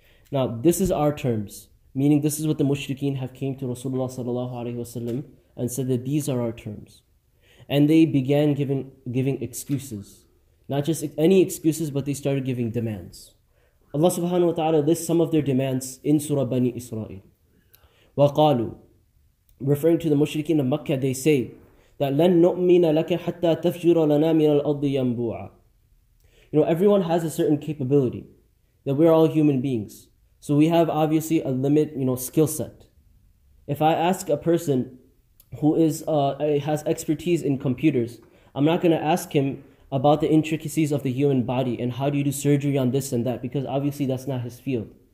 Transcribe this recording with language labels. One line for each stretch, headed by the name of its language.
English: Now, this is our terms, meaning this is what the mushrikeen have came to Rasulullah sallallahu alaihi wasallam and said that these are our terms. And they began giving excuses. Not just any excuses, but they started giving demands. Allah subhanahu wa ta'ala lists some of their demands in Surah Bani Israel.
Arabic: وَقَالُوا,
English: referring to the mushrikeen of Makkah, they say that
Arabic: لَن نُؤْمِنَ لَكَ حَتَّى تَفْجُرَ لَنَا مِنَ الْأَضِ يَنْبُوعَ.
English: You know, everyone has a certain capability, that we're all human beings. So we have obviously a limit, you know, skill set. If I ask a person who is has expertise in computers, I'm not going to ask him about the intricacies of the human body and how do you do surgery on this and that, because obviously that's not his field.